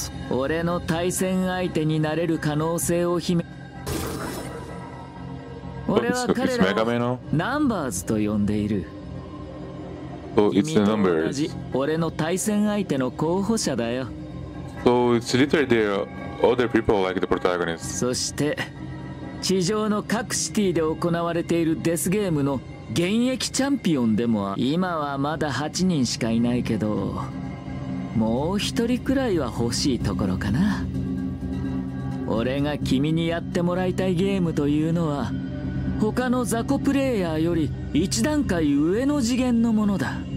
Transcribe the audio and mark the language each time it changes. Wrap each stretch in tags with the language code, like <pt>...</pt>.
<ja>俺の対戦相手になれる可能性を秘め、俺は彼らをナンバーズと呼んでいる。</ja> <en>So it's the numbers.</en> <ja>君と同じ俺の対戦相手の候補者だよ。</ja> <en>So it's literally the other people like the protagonist.</en> <ja>そして地上の各シティで行われているデスゲームの現役チャンピオンでも、今はまだ8人しかいないけど、もう一人くらいは欲しいところかな。俺が君にやってもらいたいゲームというのは、他の雑魚プレイヤーより一段階上の次元のものだ。</ja>